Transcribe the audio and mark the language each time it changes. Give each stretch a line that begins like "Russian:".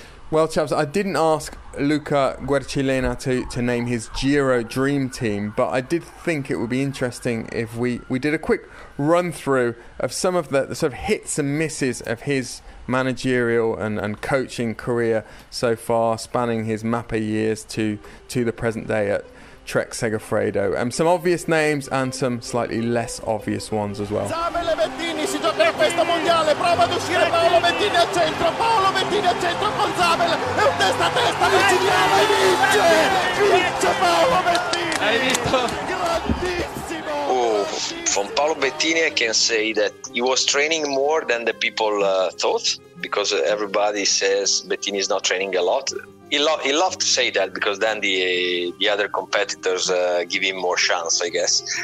English: Well, chaps, I didn't ask Luca Guercilena to name his Giro dream team, but I did think it would be interesting if we did a quick run through of some of the sort of hits and misses of his managerial and coaching career so far, spanning his Mapei years to the present day at Trek-Segafredo. Some obvious names and some slightly less obvious ones as well.
Italian: Samuele Bettini si giocherà questo mondiale, prova ad uscire Paolo Bettini al centro con Samuele, è un testa a testa, vicinale, vince Paolo Bettini! Hai visto?
English: From Paolo Bettini, I can say that he was training more than the people thought, because everybody says Bettini is not training a lot. He loved to say that, because then the other competitors give him more chance, I guess.